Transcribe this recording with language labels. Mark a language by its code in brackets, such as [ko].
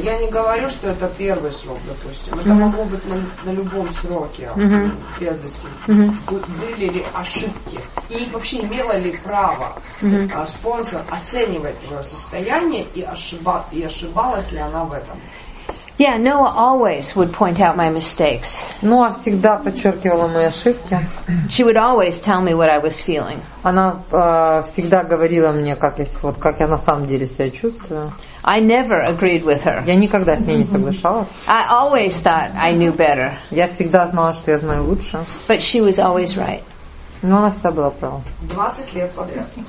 [ru] Я не говорю, что это первый срок, допустим. Это mm-hmm. могло быть на любом сроке трезвости. Mm-hmm. Mm-hmm. Были ли ошибки? И вообще, имела ли право спонсор оценивать твое состояние и ошибалась ли она в этом? [en] Yeah, Noah always would point out my mistakes. [ru] Ноа всегда подчеркивала мои ошибки. [en] She would always tell me what I was feeling. [ru] Она всегда говорила мне, как я на самом деле себя чувствую. [en] I never agreed with her. [ru] Я никогда с ней не соглашалась. [en] I always thought I knew better. [ru] Я всегда знала, что я знаю лучше. [en] But she was always right. [ru] Но она всегда была права. 20 лет подряд.